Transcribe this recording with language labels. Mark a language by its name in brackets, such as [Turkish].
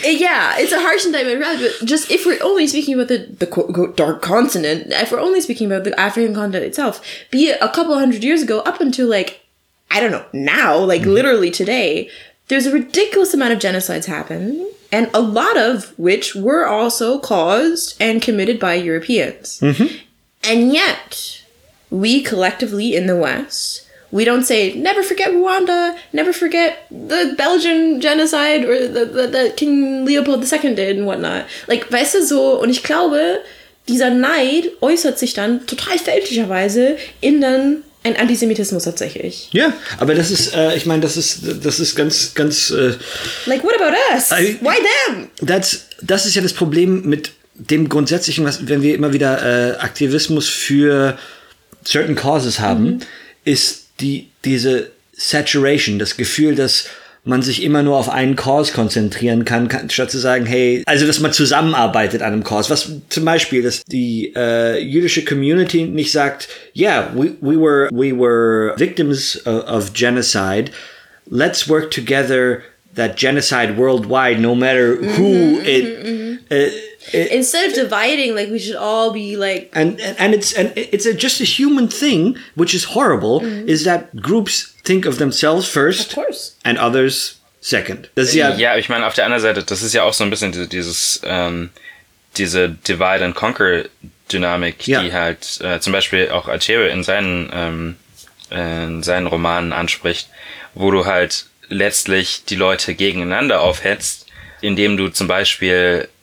[English] Yeah, it's a harsh indictment, right? But just if we're only speaking about the dark continent, if we're only speaking about the African continent itself, be it a couple hundred years ago up until like, I don't know, now, like literally today, there's a ridiculous amount of genocides happen, and a lot of which were also caused and committed by Europeans. Mm-hmm. And yet, we collectively in the West, we don't say, never forget Rwanda, never forget the Belgian genocide or the King Leopold II did and whatnot. Like, [German] weißt du, so, und ich glaube, dieser Neid äußert sich dann total fälschlicherweise in dann ein Antisemitismus tatsächlich. Ja, aber das ist, ich meine, das ist ganz, ganz... [English] Like, what about us? Why them? [German] Das ist ja das Problem mit dem Grundsätzlichen, was, wenn wir immer wieder Aktivismus für [English] certain causes [German] haben, ist diese Saturation, das Gefühl, dass man sich immer nur auf einen Cause konzentrieren kann, statt zu sagen, hey, also dass man zusammenarbeitet an einem Cause. Was zum Beispiel, dass die jüdische Community nicht sagt, [English] yeah, we were victims of genocide, let's work together that genocide worldwide, no matter who Instead of dividing, like, we should all be, like... And it's just a human thing, which is horrible, is that groups think of themselves first and others second. [German] Ja, ich meine, auf der anderen Seite, das ist ja auch so ein bisschen diese Divide-and-Conquer-Dynamik, die halt zum Beispiel auch Achebe in seinen Romanen anspricht, wo du halt letztlich die Leute gegeneinander aufhetzt, indem du zum Beispiel...